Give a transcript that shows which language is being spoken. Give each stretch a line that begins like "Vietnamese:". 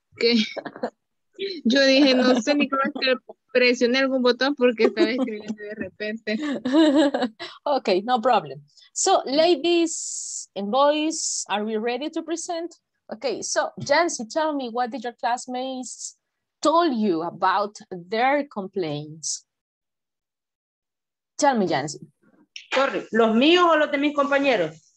Spanish: Okay. Yo dije, no sé ni cómo es que presioné algún botón porque estaba escribiendo de repente.
English: Okay, no problem. So, ladies and boys, are we ready to present? Okay, so, Jancy, tell me, what did your classmates told you about their complaints? Tell me, Jancy.
Spanish: Corre, ¿los míos o los de mis compañeros?